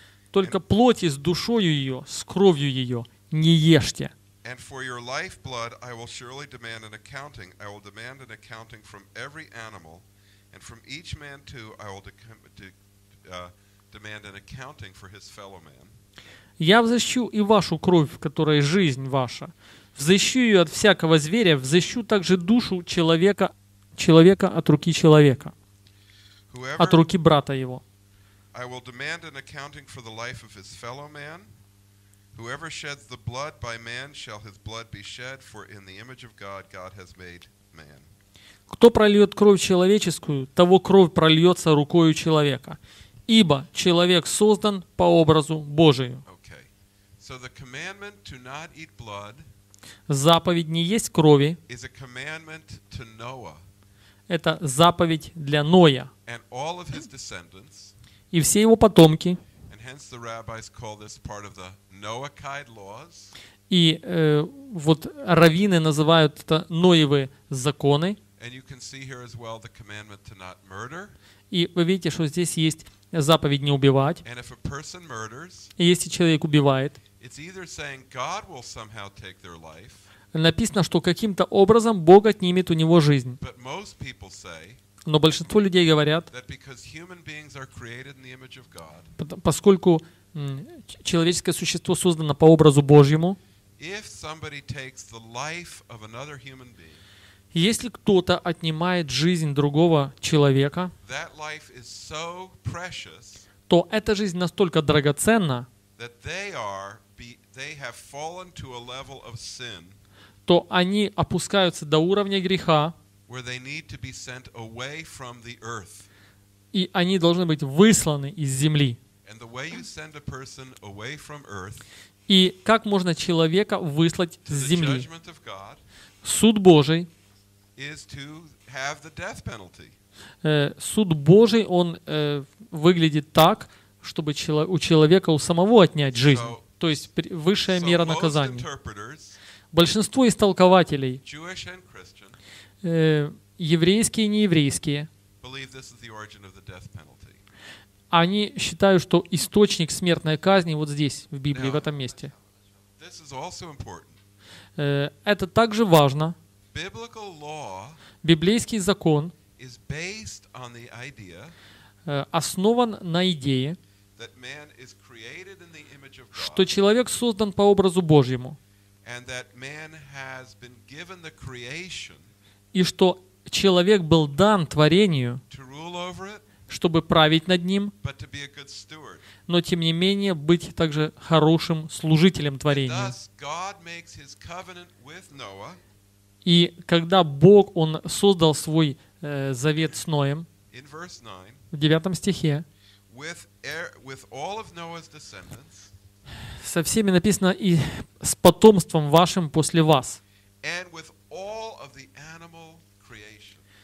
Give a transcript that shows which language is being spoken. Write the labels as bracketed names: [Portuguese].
[Russian] Только плоти с душою ее, с кровью ее не ешьте. [English] And for your lifeblood, I will surely demand an accounting. I will demand an accounting from every animal, and from each man too, I will demand an accounting for his fellow man. [Russian] Я взыщу и вашу кровь, в которой жизнь ваша. Взыщу ее от всякого зверя, взыщу также душу человека, человека от руки человека, от руки брата его. [English] I will demand an accounting for the life of his fellow man. Whoever sheds the blood by man shall his blood be shed, for in the image of God God has made man. [Russian] Кто прольет кровь человеческую, того кровь прольется рукою человека, ибо человек создан по образу Божию. [English] Okay. So the commandment to not eat blood, [Russian] заповедь не есть крови, [English] is a commandment to Noah. [Russian] Это заповедь для Ноя. [English] And all of his descendants. [Russian] И все его потомки. [English] And hence the rabbis call this part of the Noahide laws. [Russian] И вот раввины называют это Ноевы законы. [English] And you can see here as well the commandment to not murder. [Russian] И вы видите, что здесь есть заповедь не убивать. [English] And if a person murders, [Russian] и если человек убивает, [English] it's either saying God will somehow take their life. [Russian] Написано, что каким-то образом Бог отнимет у него жизнь. [English] But most people say. [Russian] Но большинство людей говорят, [English] that because human beings are created in the image of God. [Russian] Поскольку человеческое существо создано по образу Божьему. [English] If somebody takes the life of another human being, [Russian] если кто-то отнимает жизнь другого человека, [English] that life is so precious, [Russian] то эта жизнь настолько драгоценна, [English] that they have fallen to a level of sin, [Russian] то они опускаются до уровня греха, [English] where they need to be sent away from the earth. [Russian] И они должны быть высланы из земли. [English] And the way you send a person away from earth, [Russian] и как можно человека выслать [English] to [Russian] с земли? [English] The judgment of God, [Russian] суд Божий, [English] is to have the death penalty. [Russian] Суд Божий, он выглядит так, чтобы у человека у самого отнять жизнь. [English] So, [Russian] то есть высшая [English] so [Russian] мера наказания. Большинство истолкователей, [English] Jewish and Christian, [Russian] еврейские и нееврейские, [English] believe this is the origin of the death penalty. [Russian] Они считают, что источник смертной казни вот здесь, в Библии, [English] now, [Russian] в этом месте. [English] This is also important. [Russian] Это также важно. [English] Biblical law, [Russian] библейский закон, [English] is based on the idea, [Russian] основан на идее, [English] that man is created in the image of God, [Russian] что человек создан по образу Божьему, [English] and that man has been given the creation, [Russian] и что человек был дан творению, [English] to rule over it, [Russian] чтобы править над ним, [English] but to be a good steward, [Russian] но тем не менее быть также хорошим служителем творения. [English] And thus God makes his covenant with Noah. [Russian] И когда Бог, Он создал свой завет с Ноем, [English] 9, [Russian] в 9 стихе, [English] with all of Noah's descendants, [Russian] со всеми написано и с потомством вашим после вас, [English] and with all of the animal creation,